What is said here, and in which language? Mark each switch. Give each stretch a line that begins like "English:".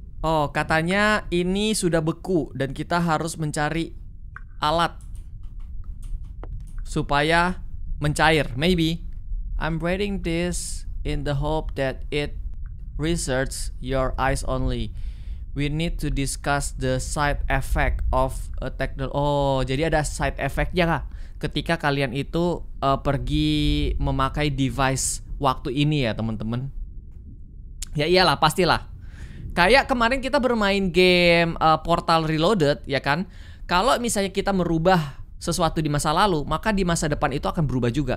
Indonesian: Oh, katanya ini sudah beku dan kita harus mencari alat supaya mencair.
English: Maybe I'm writing this in the hope that it reserves your eyes only. We need to discuss the side effect of a technology.
Indonesian: Oh, jadi ada side effect-nya kah? Ketika kalian itu pergi memakai device waktu ini ya teman-teman. Ya iyalah pastilah. Kayak kemarin kita bermain game Portal Reloaded ya kan. Kalau misalnya kita merubah sesuatu di masa lalu, maka di masa depan itu akan berubah juga.